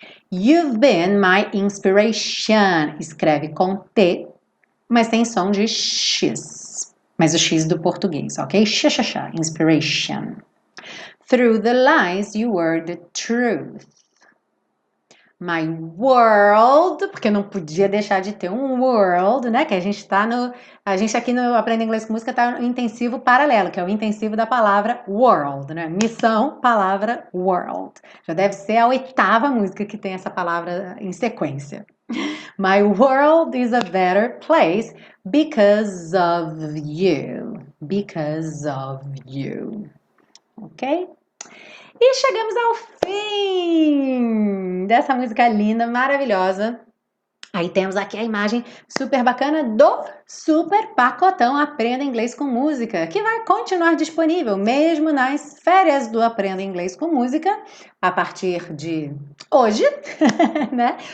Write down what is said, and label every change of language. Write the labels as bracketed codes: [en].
[en] You've been my inspiration, [pt] escreve com T, mas tem som de X, mas o X do português, ok? X-x-x, inspiration. [en] Through the lies, you were the truth. My world, [pt] porque não podia deixar de ter um world, né? Que a gente tá no. A gente aqui no Aprenda Inglês com Música tá no intensivo paralelo, que é o intensivo da palavra world, né? Missão, palavra, world. Já deve ser a oitava música que tem essa palavra em sequência. [en] My world is a better place because of you. Because of you. Ok? [pt] E chegamos ao fim dessa música linda, maravilhosa. Aí temos aqui a imagem super bacana do super pacotão Aprenda Inglês com Música, que vai continuar disponível mesmo nas férias do Aprenda Inglês com Música, a partir de hoje, né?